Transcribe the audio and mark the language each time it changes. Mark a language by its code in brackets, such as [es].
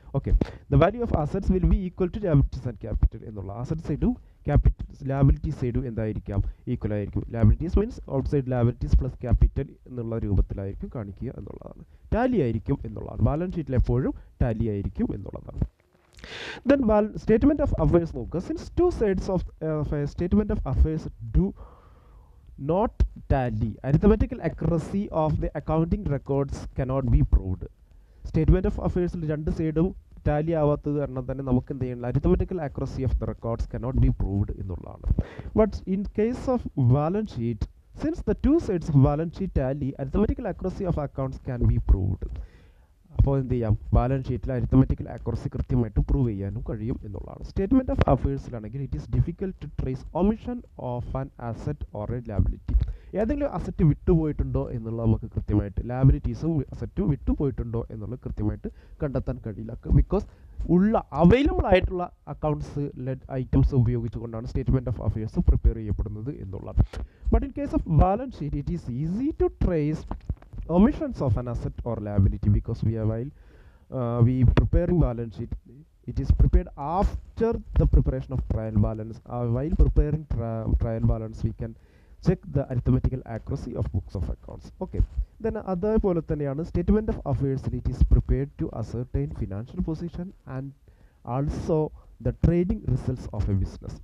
[en] okay, the value of assets will be equal to liabilities and capital [ml] എന്നുള്ള asset സൈഡും capital liability സൈഡും എന്തായിരിക്കാം, equal ആയിരിക്കും. [en] liabilities means outside liabilities plus capital [ml] എന്നുള്ള രൂപത്തിലായിരിക്കും കാണിക്കുക എന്നുള്ളതാണ്. ടാലി ആയിരിക്കും എന്നുള്ളതാണ്, ബാലൻസ് ഷീറ്റിൽ എപ്പോഴും ടാലി ആയിരിക്കും എന്നുള്ളതാണ്. [en] Then statement of affairs, since two sides of a statement of affairs do not tally. Arithmetical accuracy of the accounting records cannot be proved. [ml] Statement of affairs രണ്ട് സൈഡും ടാലി ആവാത്തത് കാരണം തന്നെ നമുക്ക് എന്ത് ചെയ്യണം, [en] arithmetical accuracy of the records cannot be proved [ml] എന്നുള്ളതാണ്. [en] But in case of balance sheet, since the two sides of balance sheet tally, arithmetical accuracy of accounts can be proved. [ml] അപ്പോൾ എന്ത് ചെയ്യാം, ബാലൻസ് ഷീറ്റിൽ അരിത്തമെറ്റിക്കൽ ആക്യുറസി കൃത്യമായിട്ട് prove ചെയ്യാനും കഴിയും എന്നുള്ളതാണ്. [en] Statement of അഫേഴ്സിലാണെങ്കിൽ it is difficult to trace omission of an asset or a liability. [ml] ഏതെങ്കിലും asset വിട്ടുപോയിട്ടുണ്ടോ എന്നുള്ള നമുക്ക് കൃത്യമായിട്ട്, ലാബിലിറ്റീസും അസറ്റും വിട്ടുപോയിട്ടുണ്ടോ എന്നുള്ളത് കൃത്യമായിട്ട് കണ്ടെത്താൻ കഴിയില്ല. ബിക്കോസ് ഉള്ള അവൈലബിൾ ആയിട്ടുള്ള അക്കൗണ്ട്സ് ഐറ്റംസ് ഉപയോഗിച്ചുകൊണ്ടാണ് സ്റ്റേറ്റ്മെൻറ്റ് ഓഫ് അഫയേഴ്സ് പ്രിപ്പയർ ചെയ്യപ്പെടുന്നത് എന്നുള്ളത്. [en] But in case of balance sheet it is easy to trace omissions of an asset or liability, because we are while we preparing balance sheet it is prepared after the preparation of trial balance. While preparing trial balance we can check the arithmetical accuracy of books of accounts. Okay, then [ml] adhe pole thaneyana [en] statement of affairs it is prepared to ascertain financial position and also the trading results of a business.